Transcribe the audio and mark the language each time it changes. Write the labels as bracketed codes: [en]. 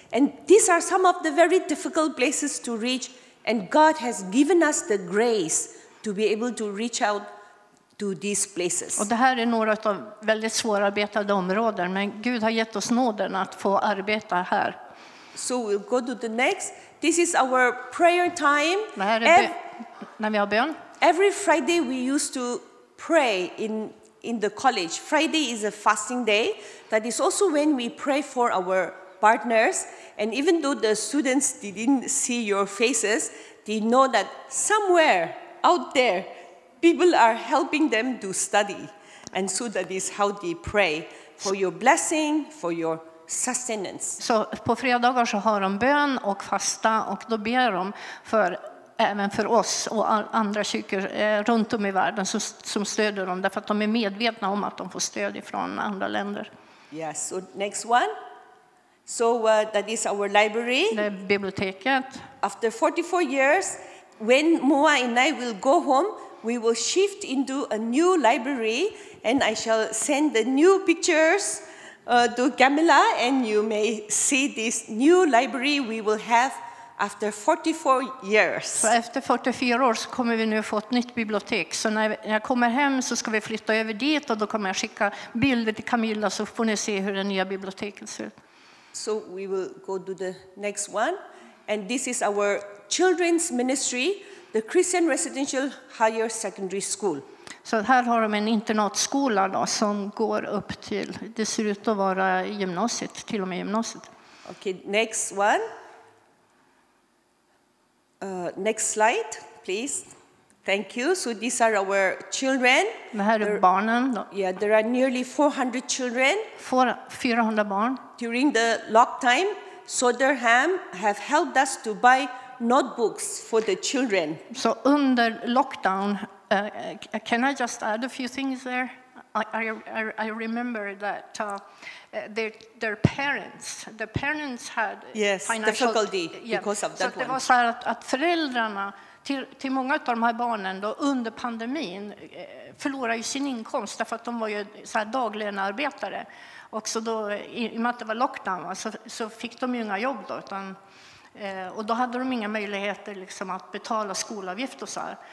[en] And these are some of the very difficult places to reach, and God has given us the grace to be able to reach out to these places. [sv] Och det här är några av väldigt svårarbetade områden, men Gud har gett oss nåden att få arbeta här. [en] So we'll go to the next. This is our prayer time. [sv] Det här är när vi har bön. [en] Every Friday we used to pray in the college. Friday is a fasting day. That is also when we pray for our partners. And even though the students didn't see your faces, they know that somewhere out there, people are helping them to study. And so that is how they pray for your blessing, for your sustenance. [sv] Så på fredagar så har de bön och fasta, och då ber de för även för oss och andra kyrkor runt om i världen som stöder dem, därför att de är medvetna om att de får stöd ifrån andra länder. [en] Yes, so next one. So that is our library. [sv] Det är biblioteket. [en] After 44 years, when Moa and I will go home, we will shift into a new library, and I shall send the new pictures to Camilla, and you may see this new library we will have after 44 years. [sv] Så efter 44 år så kommer vi nu få ett nytt bibliotek. Så när jag kommer hem så ska vi flytta över dit, och då kommer jag skicka bilder till Camilla, så får ni se hur det nya biblioteket ser ut. [en] So we will go to the next one. And this is our children's ministry, the Christian Residential Higher Secondary School. [sv] Så här har de en internatskola då, som går upp till, det ser ut att vara gymnasiet, till och med gymnasiet. [en] Okay, next one. Next slide, please. Thank you. So these are our children. [sv] Det här är barnen. [en] Yeah, there are nearly 400 children. [sv] 400 barn. [en] During the lock time, Söderhamn have helped us to buy notebooks for the children. So under lockdown, can I just add a few things there? I remember that their parents had, yes, financial difficulty, yeah, because of that. [sv] Så det var så här att föräldrarna till många av de här barnen då under pandemin förlorade ju sin inkomst, därför att de var ju så här daglönearbetare. Och så då, i och med att det var lockdown, så fick de ju inga jobb då, utan och då hade de inga möjligheter liksom att betala skolavgift och så här.